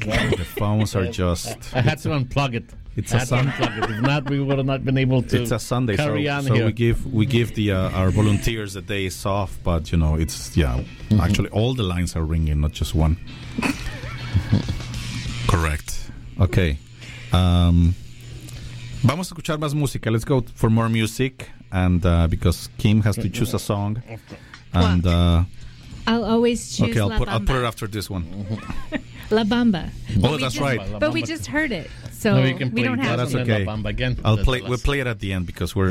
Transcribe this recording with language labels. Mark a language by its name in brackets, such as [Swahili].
[English] The phones are just... I had to unplug it. It's a Sunday. If not, we would have not been able to. It's a Sunday, so we give the our volunteers the days off. But you know, it's actually all the lines are ringing, not just one. Correct. Okay. [Spanish] Vamos a escuchar más música. [English] Let's go for more music, and because Kim has to choose a song, and I'll always choose. Okay, La Bamba. I'll put it after this one. La Bamba. Oh, that's right. But we just heard it. So no, we don't play. Have no, that's okay. La Bamba again. We'll play it at the end because we're